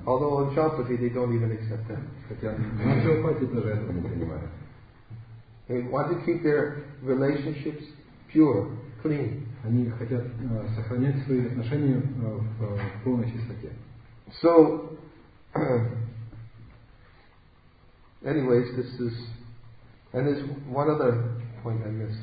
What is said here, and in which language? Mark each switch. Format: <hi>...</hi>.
<en>Although on Chalpati they don't even accept that.</en> <ru>Хотя на Чалпати даже этого не принимают.</ru> <en>They want to keep their relationships pure, clean.</en> <ru>Они хотят сохранять свои отношения в полной чистоте.</ru> <en>So, anyways, this is, and there's one other point I missed.</en>